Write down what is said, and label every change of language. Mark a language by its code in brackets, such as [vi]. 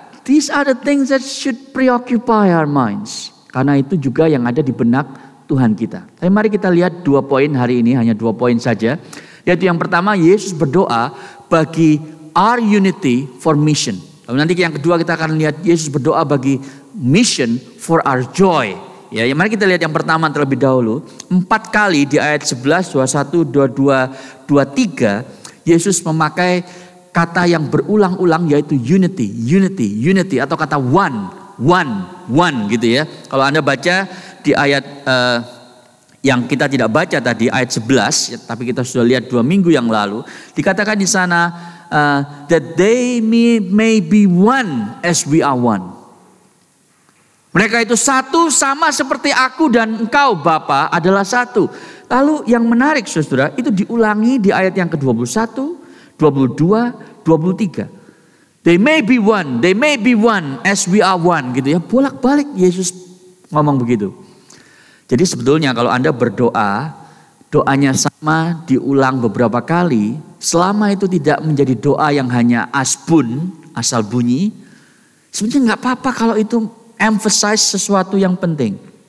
[en] These are the things that should preoccupy our minds. [id] Karena itu juga yang ada di benak Tuhan kita. Tapi mari kita lihat dua poin hari ini, hanya dua poin saja. Yaitu yang pertama, Yesus berdoa bagi [en] our unity for mission. [id] Lalu nanti yang kedua kita akan lihat Yesus berdoa bagi [en] mission for our joy. [id] Ya, yang mari kita lihat yang pertama terlebih dahulu. Empat kali di ayat 11, 21, 22, 23, Yesus memakai kata yang berulang-ulang yaitu unity, unity, unity atau kata one, one, one gitu ya. Kalau Anda baca di ayat yang kita tidak baca tadi, ayat 11, ya, tapi kita sudah lihat dua minggu yang lalu, dikatakan di sana, [en] that they may be one as we are one. [id] Mereka itu satu sama seperti aku dan engkau Bapa adalah satu. Lalu yang menarik saudara, itu diulangi di ayat yang ke-21, 22, 23. [en] They may be one as we are one. [id] Gitu ya, bolak-balik Yesus ngomong begitu. Jadi sebetulnya kalau Anda berdoa, doanya sama diulang beberapa kali, selama itu tidak menjadi doa yang hanya asbun, asal bunyi, sebenarnya enggak apa-apa kalau itu emphasize sesuatu yang penting.